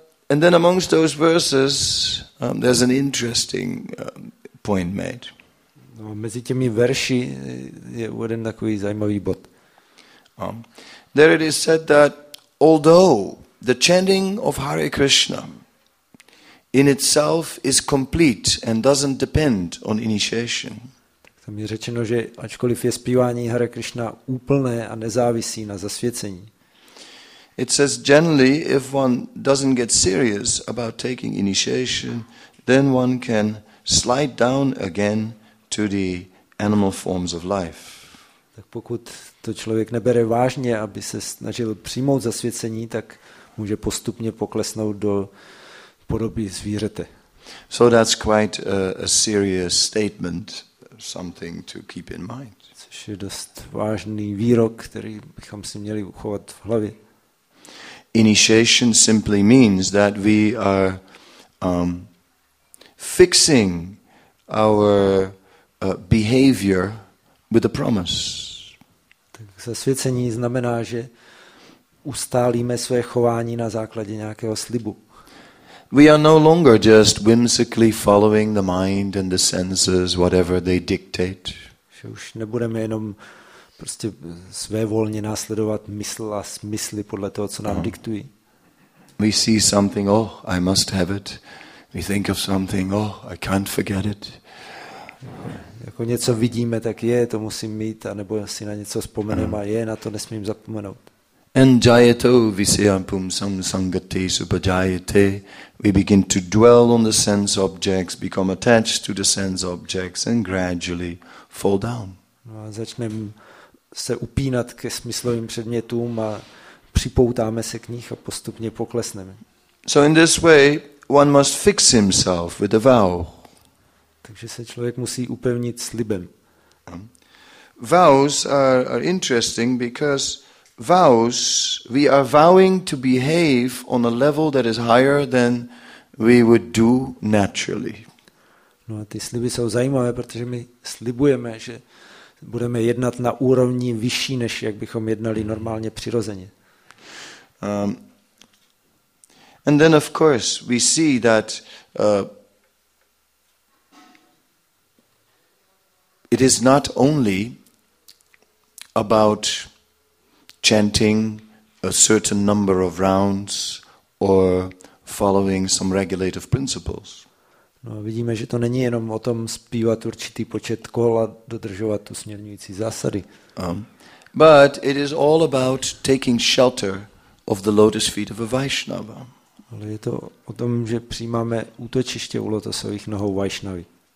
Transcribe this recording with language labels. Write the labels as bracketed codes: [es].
[en] And then amongst those verses, there's an interesting point made. [cs] No, mezi těmi verši je uveden takový zajímavý bod. [en] There it is said that although the chanting of Hare Krishna in itself is complete and doesn't depend on initiation. [cs] Tam je řečeno, že ačkoliv je zpívání Hare Krishna úplné a nezávisí na zasvěcení. [en] It says generally if one doesn't get serious about taking initiation, then one can slide down again to the animal forms of life. [cs] Tak pokud to člověk nebere vážně, aby se snažil přijmout zasvěcení, tak může postupně poklesnout do podoby zvířete. [en] So that's quite a serious statement, something to keep in mind. [cs] Což je dost vážný výrok, který bychom si měli uchovat v hlavě. [en] Initiation simply means that we are fixing our behavior with a promise. [cs] Tak zasvěcení znamená, že ustálíme své chování na základě nějakého slibu. [en] We are no longer just whimsically following the mind and the senses, whatever they dictate. [cs] Že už nebudeme jenom prostě svévolně následovat mysl a smysly podle toho, co nám diktují. [en] We see something, oh, I must have it. We think of something, oh, I can't forget it. [cs] Jako něco vidíme, tak je, to musím mít, anebo si na něco vzpomenem a je, na to nesmím zapomenout. [sa] And jayato visyampum samsangate subajayate. [en] We begin to dwell on the sense objects, become attached to the sense objects and gradually fall down. [cs] No a začneme se upínat ke smyslovým předmětům a připoutáme se k nich a postupně poklesneme. [en] So in this way one must fix himself with a vow. [cs] Takže se člověk musí upevnit slibem. [en] Vows are interesting because vows, we are vowing to behave on a level that is higher than we would do naturally. [cs] No a ty sliby jsou zajímavé, protože my slibujeme, že budeme jednat na úrovni vyšší, než jak bychom jednali normálně přirozeně. [en] And then of course we see that it is not only about chanting a certain number of rounds or following some regulative principles. [cs] No, vidíme, že to není jenom o tom zpívat určitý počet kol a dodržovat tu směrnující zásady. [en] But it is all about taking shelter of the lotus feet of a Vaishnava. [cs] Ale je to o tom, že přijímáme útočiště u lotosových nohou Vaishnavy.